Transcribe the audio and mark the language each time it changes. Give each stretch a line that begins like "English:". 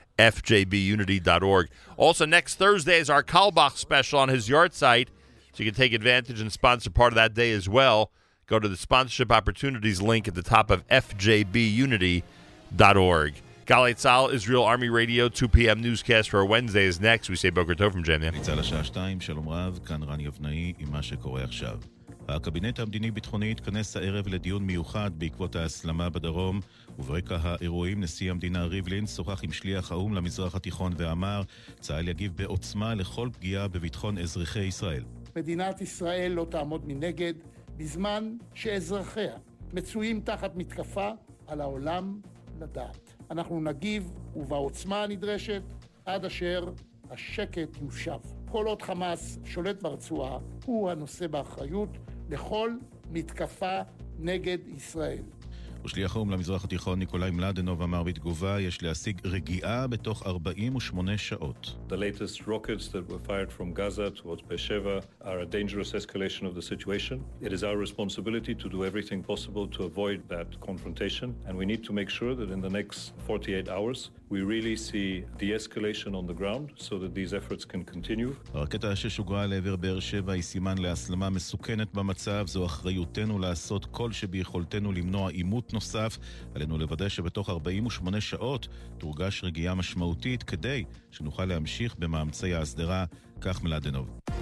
English: fjbunity.org. Also, next Thursday is our Kalbach special on his yard site, so you can take advantage and sponsor part of that day as well. Go to the sponsorship opportunities link at the top of fjbunity.org. Galei Tzal, Israel Army Radio, 2 p.m. newscast for Wednesday is next. We say Boker Tov from Jamia. It's
Hebrew: על השעה 2, שלום רב, כאן רני אבנאי, עם מה שקורה עכשיו. הקבינט המדיני-ביטחוני התכנס הערב לדיון מיוחד בעקבות ההסלמה בדרום, וברקע האירועים נשיא המדינה ריבלין שוחח עם שליח האום למזרח התיכון ואמר, צהל יגיב בעוצמה לכל פגיעה בביטחון אזרחי ישראל. מדינת ישראל לא תעמוד מנגד בזמן שאזרחיה מצויים תחת מתקפה על העולם לדעת. אנחנו נגיב ובעוצמה הנדרשת עד אשר השקט יושב. כל עוד חמאס שולט ברצועה, הוא הנושא באחריות לכל מתקפה נגד ישראל. ושליח האום למזרח התיכון ניקולאי מלדנוב אמר בתגובה, יש להשיג רגיעה בתוך 48 שעות.
English: The latest rockets that were fired from Gaza towards Beersheva are a dangerous escalation of the situation. It is our responsibility to do everything possible to avoid that confrontation, and we need to make sure that in the next 48 hours we really see de-escalation on the ground so that these efforts can continue.
Hebrew: הרקטה ששוגרה לעבר באר-שבע היא סימן להסלמה מסוכנת במצב, זו אחריותנו לעשות כל שביכולתנו למנוע עימות נוסף. עלינו לוודא שבתוך 48 שעות תורגש רגיעה משמעותית כדי שנוכל להמשיך במאמצי ההסדרה, כך מלדנוב.